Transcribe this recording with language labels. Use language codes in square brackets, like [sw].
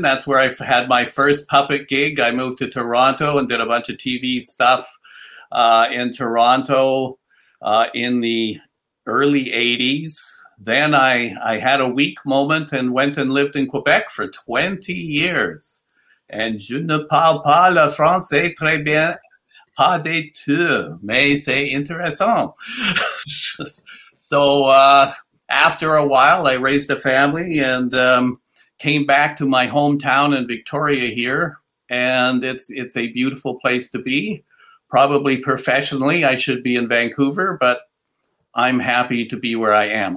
[en] That's where I had my first puppet gig. I moved to Toronto and did a bunch of TV stuff in Toronto in the early 80s. Then I had a weak moment and went and lived in Quebec for 20 years. [fr] And je ne parle pas le français très bien, pas de tout, mais c'est intéressant. [en] So after a while, I raised a family and came back to my hometown in Victoria here. And it's a beautiful place to be. Probably professionally, I should be in Vancouver, but I'm happy to be where I am.